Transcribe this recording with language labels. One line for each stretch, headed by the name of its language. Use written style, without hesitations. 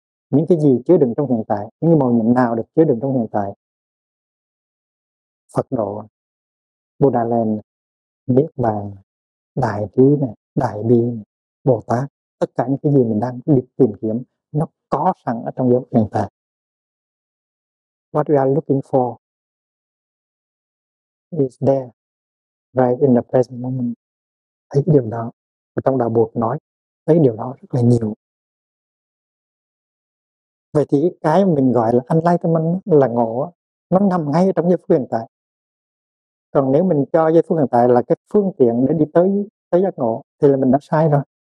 Vietnamese: Những cái gì chứa đựng trong hiện tại, những cái mầu nhiệm nào được chứa đựng trong hiện tại? Phật độ, Buddha Land, Niết Bàn, Đại Trí, Đại Bi, Bồ Tát. Tất cả những cái gì mình đang đi tìm kiếm nó có sẵn ở trong giới hiện tại.
English: What we are looking for is there right in the present moment.
Vietnamese: Thấy điều đó, trong đạo Phật nói thấy điều đó rất là nhiều. Vậy thì cái mình gọi là enlightenment là ngộ, nó nằm ngay trong giây phút hiện tại. Còn nếu mình cho giây phút hiện tại là cái phương tiện để đi tới tới giác ngộ thì là mình đã sai rồi.